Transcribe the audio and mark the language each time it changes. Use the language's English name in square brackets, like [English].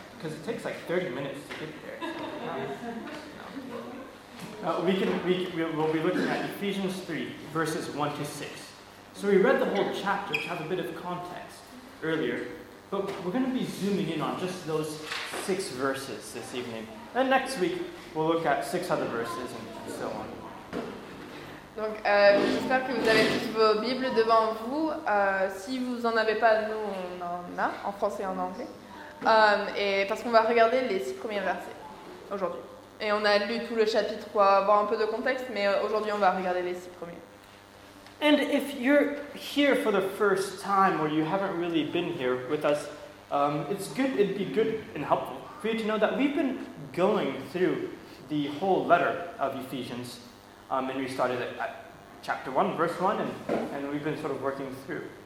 [English] Because it takes like 30 minutes to get there. We'll be looking at Ephesians 3, verses 1 to 6. So we read the whole chapter to have a bit of context earlier, but we're going to be zooming in on just those 6 verses this evening. And next week, we'll look at 6 other verses and so on. [French] Donc, j'espère que vous avez toutes vos Bibles devant vous. Si vous n'en avez pas, nous, on en a, en français et en anglais. Et parce qu'on va regarder les 6 premiers versets aujourd'hui. Et on a lu tout le chapitre pour avoir un peu de contexte, mais aujourd'hui, on va regarder les 6 premiers. [English] And if you're here for the first time or you haven't really been here with us, it'd be good and helpful for you to know that we've been going through the whole letter of Ephesians. And we started at chapter 1, verse 1, and we've been sort of working through.